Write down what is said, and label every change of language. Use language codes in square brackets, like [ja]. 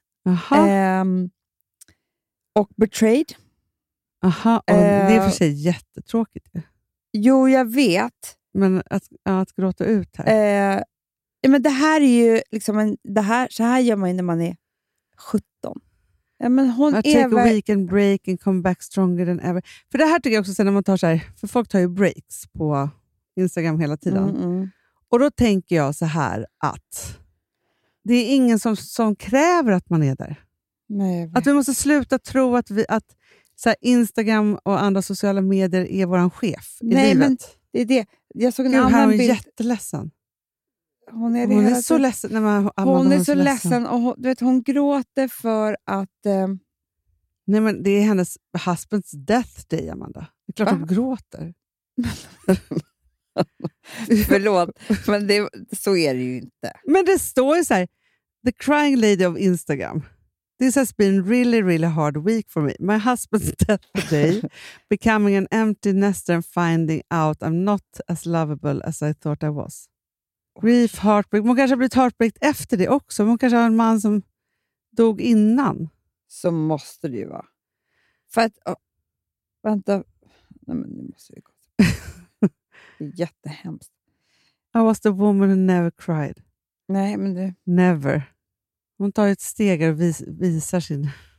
[sv] Jaha. Och betrayed. Aha, det är för sig jättetråkigt. Jo, jag vet. Men att gråta ut här. Men det här är ju liksom så här gör man ju när man är 17. Men hon [en] take a week and break and come back stronger than ever. [sv] För det här tycker jag också sen när man tar så här, för folk tar ju breaks på Instagram hela tiden. Mm-mm. Och då tänker jag så här att det är ingen som kräver att man är där. Nej, att vi måste sluta tro att så här, Instagram och andra sociala medier är våran chef i livet. Nej, men det är det. Jag såg en annan bild. Hon är jätteledsen. Hon är så ledsen. Hon är så ledsen. Och du vet, hon gråter för att... Nej, men det är hennes [en] husbands death day, [sv] Amanda. Det är klart hon gråter. Förlåt, men så är det ju inte. Men det står ju så här, [en] the crying lady of Instagram. This has been really, really hard week for me. My husband's death today, becoming an empty nester and finding out I'm not as lovable as I thought I was. Grief, heartbreak. [sv] Man kanske har blivit heartbreaked efter det också. Man kanske har en man som dog innan. Så måste det ju vara. För att, vänta. Nej, men nu måste jag gå. Det är jättehemskt. [en] I was the woman who never cried. [sv] Nej, men du. [en] Never. [sv] Hon tar ett steg och visar sin...